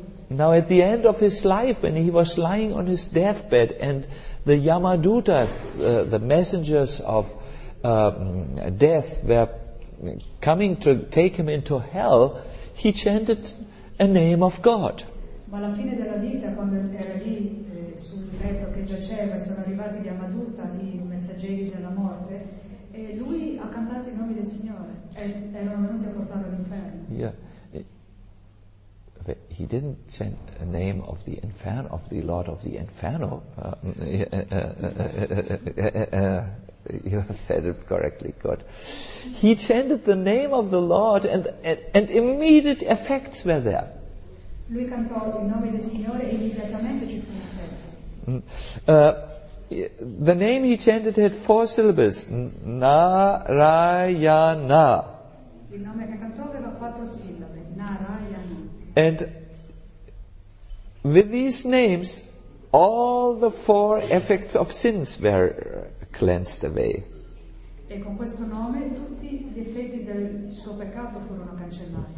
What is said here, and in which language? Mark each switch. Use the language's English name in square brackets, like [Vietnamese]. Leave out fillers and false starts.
[English] Now at the end of his life, when he was lying on his deathbed and the Yamadutas, the messengers of death, were coming to take him into hell, he chanted a name of God. [Italian] Ma alla fine della vita, quando era lì sul letto che giaceva, sono arrivati gli Amaduta, i messaggeri della morte, e lui ha cantato i nomi del Signore e erano venuti a portarlo all'inferno. [English] Yeah. He didn't chant a name of the inferno, of the Lord of the Inferno. You have said it correctly, good. He chanted the name of the Lord and immediate effects were there. [Italian] Lui cantò il nome del Signore e immediatamente ci fu [English] The name he chanted had 4 syllables. Narayana. [Italian] Il nome che cantò aveva 4 sillabe. Narayana. [English] And with these names, all the 4 effects of sins were cleansed away. [Italian] E con questo nome tutti gli effetti del suo peccato furono cancellati.